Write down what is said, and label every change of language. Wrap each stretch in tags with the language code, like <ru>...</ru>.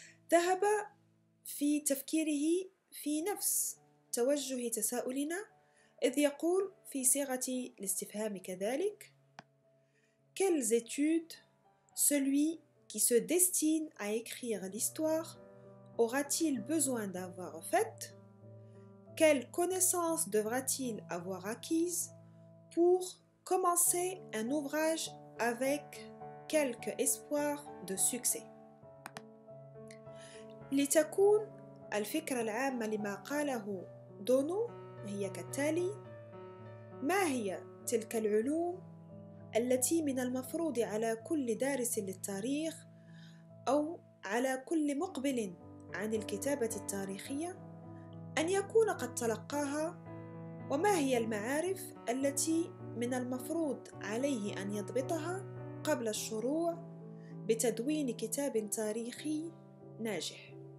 <ar>ذهب في تفكيره في نفس توجه تساؤلنا، إذ يقول في صيغة الاستفهام كذلك:</ar> <fr>Quelles études celui qui se destine à écrire l'histoire aura-t-il besoin d'avoir faites? Quelles connaissances devra-t-il avoir acquises pour commencer un ouvrage avec quelque espoir de succès.</fr> <ar>لتكون الفكرة العامة لما قاله دونو هي كالتالي: ما هي تلك العلوم التي من المفروض على كل دارس للتاريخ أو على كل مقبل عن الكتابة التاريخية أن يكون قد تلقاها؟ وما هي المعارف التي من المفروض عليه أن يضبطها قبل الشروع بتدوين كتاب تاريخي ناجح؟</ar>